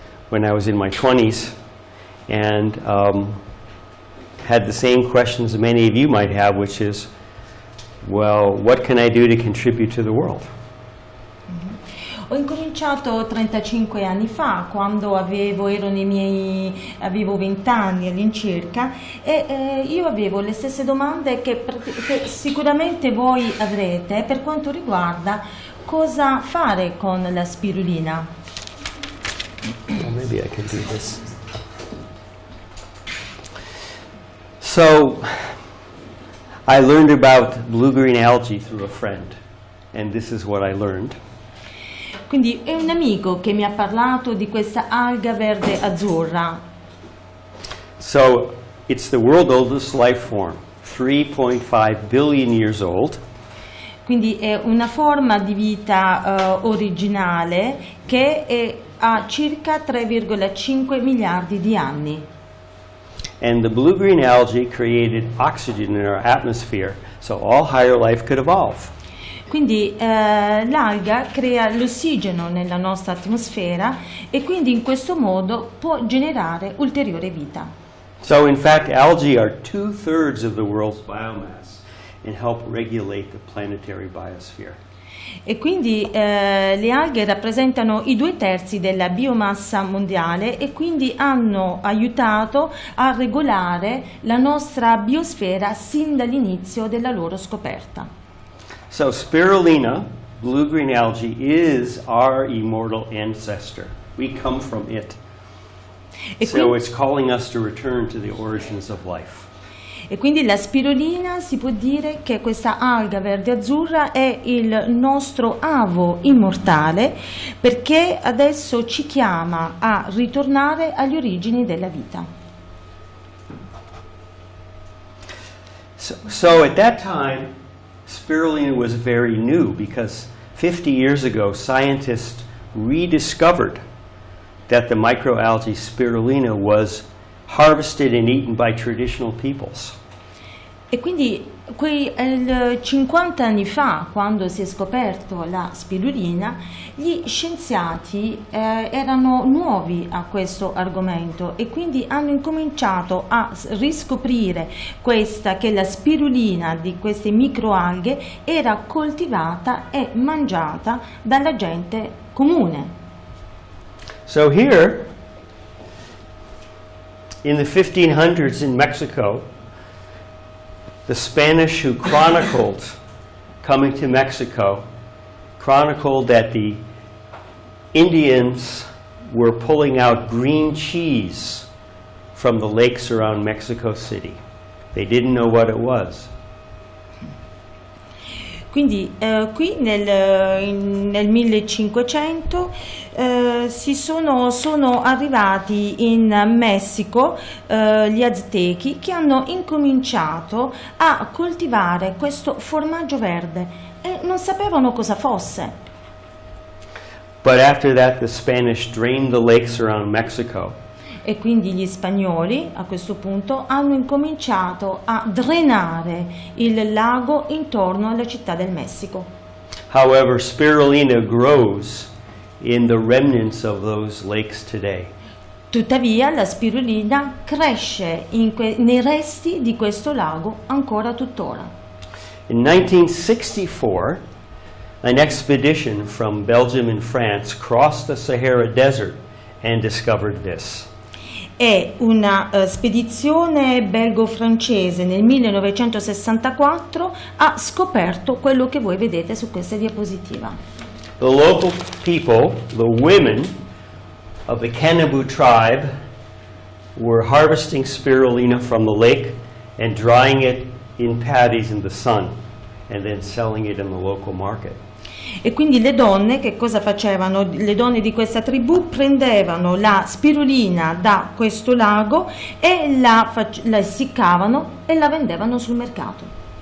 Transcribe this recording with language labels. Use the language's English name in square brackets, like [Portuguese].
[English] When I was in my 20s and had the same questions many of you might have, which is, well, what can I do to contribute to the world? [Italian] Ho incominciato 35 anni fa, quando avevo 20 anni all'incirca, e io avevo le stesse domande che sicuramente voi avrete per quanto riguarda cosa fare con la spirulina. [English] Well, maybe I can do this. So, I learned about blue-green algae through a friend, and this is what I learned. [Italian] Quindi è un amico che mi ha parlato di questa alga verde azzurra. [English] So, it's the world's oldest life form, 3.5 billion years old. [Italian] Quindi è una forma di vita originale che ha circa 3,5 miliardi di anni. [English] And the blue-green algae created oxygen in our atmosphere so all higher life could evolve. [Italian] Quindi l'alga crea l'ossigeno nella nostra atmosfera e quindi in questo modo può generare ulteriore vita. [English] So in fact algae are 2/3 of the world's biomass and help regulate the planetary biosphere. [Italian] E quindi le alghe rappresentano i 2/3 della biomassa mondiale e quindi hanno aiutato a regolare la nostra biosfera sin dall'inizio della loro scoperta. [English] So spirulina, blue-green algae, is our immortal ancestor. We come from it. E so it's calling us to return to the origins of life. [Italian] E quindi la spirulina, si può dire che questa alga verde azzurra è il nostro avo immortale, perché adesso ci chiama a ritornare agli origini della vita. [English] So at that time spirulina was very new, because 50 years ago scientists rediscovered that the microalgae spirulina was harvested and eaten by traditional peoples. [Italian] E quindi quei 50 anni fa, quando si è scoperto la spirulina, gli scienziati erano nuovi a questo argomento e quindi hanno incominciato a riscoprire questa, che la spirulina di queste microalghe era coltivata e mangiata dalla gente comune. [English] So here, in the 1500s in Mexico, the Spanish who chronicled coming to Mexico chronicled that the Indians were pulling out green cheese from the lakes around Mexico City. They didn't know what it was. [Italian] Quindi qui nel 1500 sono arrivati in Messico gli Aztechi, che hanno incominciato a coltivare questo formaggio verde e non sapevano cosa fosse. [English] But after that the Spanish drained the lakes around Mexico. [Italian] E quindi gli spagnoli a questo punto hanno incominciato a drenare il lago intorno alla città del Messico. [English] However, spirulina grows in the remnants of those lakes today. [Italian] Tuttavia, la spirulina cresce nei resti di questo lago ancora tuttora. [English] In 1964, an expedition from Belgium and France crossed the Sahara Desert and discovered this. [Italian] E una spedizione belgo-francese nel 1964 ha scoperto quello che voi vedete su questa diapositiva. [English] The local people, the women of the Kanibu tribe, were harvesting spirulina from the lake and drying it in paddies in the sun and then selling it in the local market. [Italian] E quindi le donne che cosa facevano? Le donne di questa tribù prendevano la spirulina da questo lago e la essiccavano e la vendevano sul mercato.